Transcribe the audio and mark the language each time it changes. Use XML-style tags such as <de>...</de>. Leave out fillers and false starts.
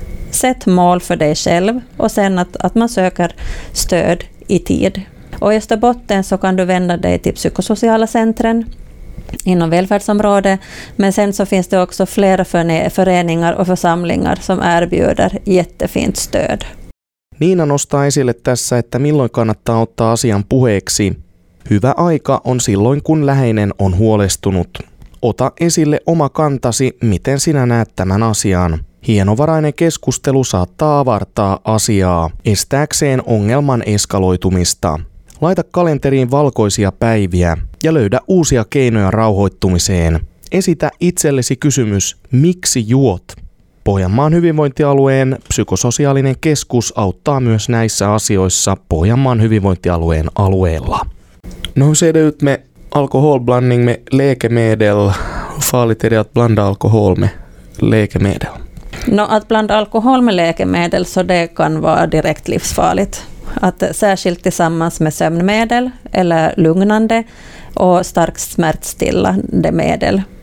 <sv>Sätt mål för dig själv och sen att man söker stöd i tid. Och i Österbotten så kan du vända dig till psykosociala centren inom välfärdsområdet. Men sen så finns det också flera föreningar och församlingar som erbjuder jättefint stöd.</sv> <fi>Niina nostaa esille tässä, että milloin kannattaa ottaa asian puheeksi. Hyvä aika on silloin, kun läheinen on huolestunut. Ota esille oma kantasi, miten sinä näet tämän asian. Hienovarainen keskustelu saattaa avartaa asiaa, estääkseen ongelman eskaloitumista. Laita kalenteriin valkoisia päiviä ja löydä uusia keinoja rauhoittumiseen. Esitä itsellesi kysymys, miksi juot? Pohjanmaan hyvinvointialueen psykososiaalinen keskus auttaa myös näissä asioissa Pohjanmaan hyvinvointialueen alueella.</fi> <sv>No se edellyt me alkoholblanding me läkemedel, farligt är det att blanda alkohol med läkemedel. No, att blanda alkohol med läkemedel så det kan vara direkt livsfarligt. Att särskilt tillsammans med sömnmedel eller lugnande och starkt smärtstillande medel.</sv>